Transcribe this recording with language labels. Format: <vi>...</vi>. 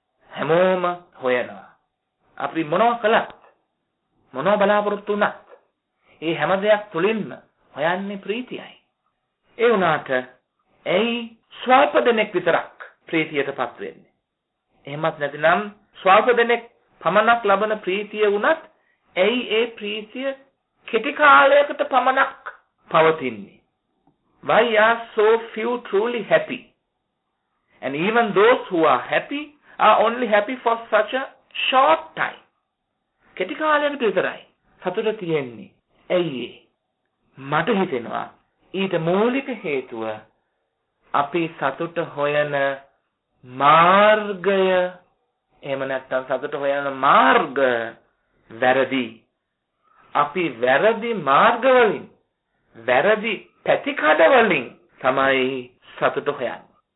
<si>හැමෝම හොයනවා. අපි මොනව කළත් මොනව බලාපොරොත්තු වුණත් ඒ හැම දෙයක් තුළින්ම හොයන්නේ ප්‍රීතියයි. ඒ වුණාට ඇයි ස්වල්ප දෙනෙක් විතරක් ප්‍රීතියට පත් වෙන්නේ? එහෙමත් නැතිනම් ස්වල්ප දෙනෙක් පමණක් ලබන ප්‍රීතිය වුණත් ඇයි ඒ ප්‍රීතිය කෙටි කාලයකට පමණක් පවතින්නේ?</si> <en>Why are so few truly happy? And even those who are happy are only happy for such a short time.</en> <si>කෙටි කාලයකට විතරයි සතුට තියෙන්නේ. ඇයි ඒ? මට හිතෙනවා ඊට මූලික හේතුව අපි සතුට හොයන මාර්ගය එහෙම නැත්නම් සතුට හොයන මාර්ග වැරදි. අපි වැරදි මාර්ගවලින් වැරදි පැතිකඩවලින් තමයි සතුට හොයන්නේ.</si>